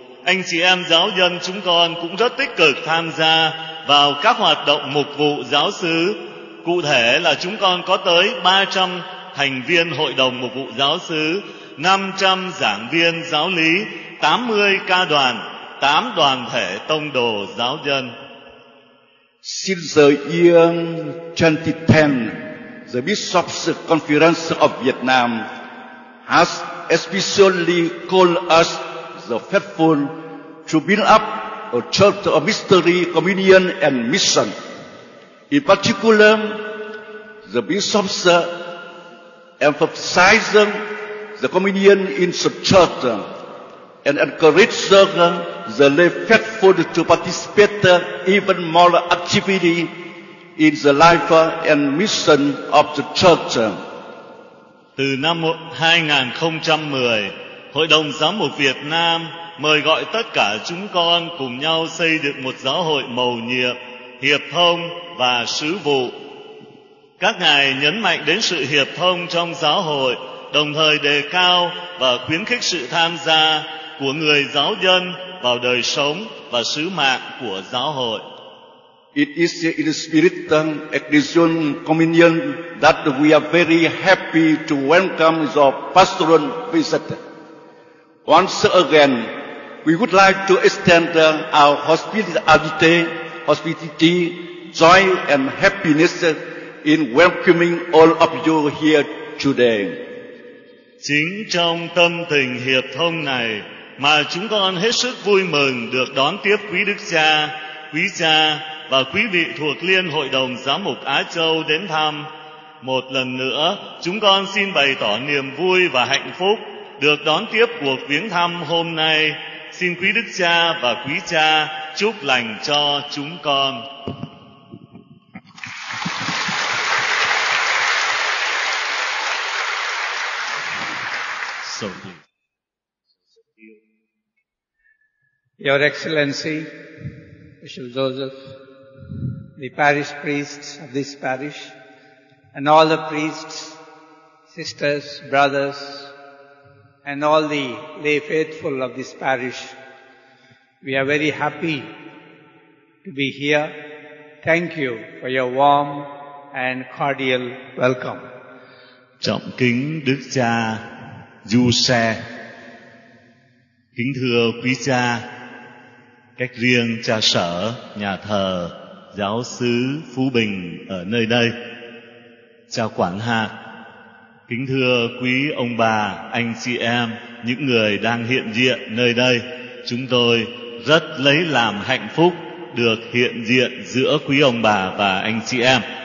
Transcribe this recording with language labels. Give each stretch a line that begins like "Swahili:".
Vietnamese: Anh chị em giáo dân chúng con cũng rất tích cực tham gia vào các hoạt động mục vụ giáo xứ. Cụ thể là chúng con có tới 300 thành viên hội đồng mục vụ giáo xứ, 500 giảng viên giáo lý, 80 ca đoàn, 8 đoàn thể tông đồ giáo dân.
English: Since the year 2010, the Bishops Conference of Vietnam has especially called us, the faithful, to build up a church of mystery, communion, and mission. In particular, the bishops emphasize the communion in the church and encourage the lay faithful to participate even more actively in the life and mission of the church.
Vietnamese: Từ năm 2010, Hội đồng Giám mục Việt Nam mời gọi tất cả chúng con cùng nhau xây dựng một giáo hội mầu nhiệm, hiệp thông và sứ vụ. Các ngài nhấn mạnh đến sự hiệp thông trong giáo hội, đồng thời đề cao và khuyến khích sự tham gia của người giáo dân vào đời sống và sứ mạng của giáo hội.
English: It is in the spirit of Ecclesial Communion that we are very happy to welcome your pastoral visit. Once again, we would like to extend our hospitality, joy, and happiness in welcoming all of you here today.
Vietnamese: Chính trong tâm tình hiệp thông này mà chúng con hết sức vui mừng được đón tiếp quý Đức Cha, quý cha và quý vị thuộc Liên Hội đồng Giám mục Á Châu đến thăm. Một lần nữa, chúng con xin bày tỏ niềm vui và hạnh phúc được đón tiếp cuộc viếng thăm hôm nay xin quý đức cha và quý cha chúc lành cho chúng con.
English: Your Excellency, Bishop Joseph, the parish priests of this parish, and all the priests, sisters, brothers, and all the lay faithful of this parish, we are very happy to be here. Thank you for your warm and cordial welcome.
Vietnamese: Trọng kính Đức Cha Giuse, kính thưa quý cha, cách riêng cha sở, nhà thờ, giáo xứ Phú Bình ở nơi đây, cha quản hạt, kính thưa quý ông bà, anh chị em, những người đang hiện diện nơi đây, chúng tôi rất lấy làm hạnh phúc được hiện diện giữa quý ông bà và anh chị em.